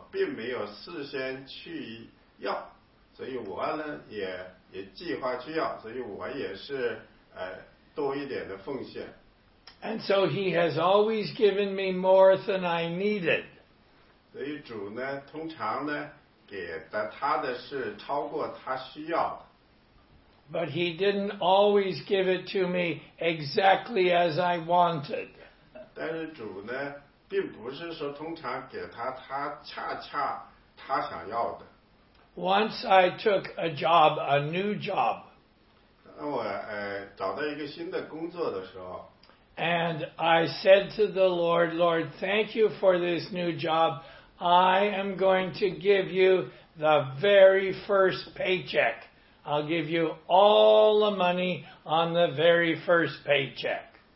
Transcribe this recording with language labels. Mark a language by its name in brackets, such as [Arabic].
[Chinese] 所以我回顾我的人生，我知道当时呢，主，我也不知道主给我多少，主确实是给了我多的，但是呢，我并没有事先去要。所以我呢，也计划去要，所以我也是多一点的奉献。 [English] And so he has always given me more than I needed. [Chinese] 所以主呢，通常呢，给的他的是超过他需要的。 [English] But he didn't always give it to me exactly as I wanted. [Chinese] 但是主呢，并不是说通常给他恰恰他想要的。 [English] Once I took a job, a new job, [Chinese] 当我找到一个新的工作的时候, [English] and I said to the Lord, Lord, thank you for this new job. I am going to give you the very first paycheck. I'll give you all the money on the very first paycheck.